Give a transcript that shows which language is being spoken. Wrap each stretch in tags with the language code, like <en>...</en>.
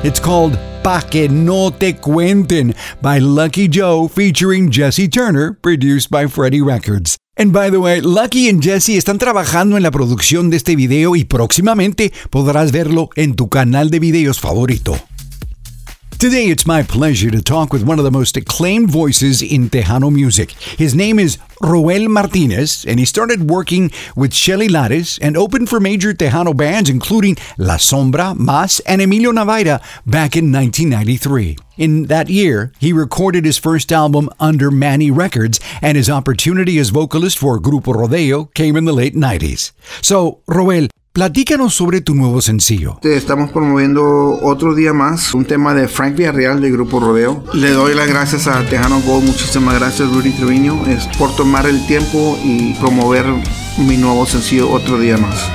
<en>It's called Pa' Que No Te Cuenten by Lucky Joe featuring Jesse Turner, produced by Freddie Records. And by the way,</en> <es>Lucky and Jesse están trabajando en la producción de este video y próximamente podrás verlo en tu canal de videos favorito.</es> <en>Today, it's my pleasure to talk with one of the most acclaimed voices in Tejano music. His name is Roel Martinez, and he started working with Shelly Lares and opened for major Tejano bands including La Sombra, Mas, and Emilio Navaira back in 1993. In that year, he recorded his first album under Manny Records, and his opportunity as vocalist for Grupo Rodeo came in the late 90s.</en> <es>So, Roel, platícanos sobre tu nuevo sencillo. Estamos promoviendo otro día más, un tema de Frank Villarreal de Grupo Rodeo. Le doy las gracias a Tejano Gold, muchísimas gracias Rudy Treviño, por tomar el tiempo y promover mi nuevo sencillo otro día más.</es>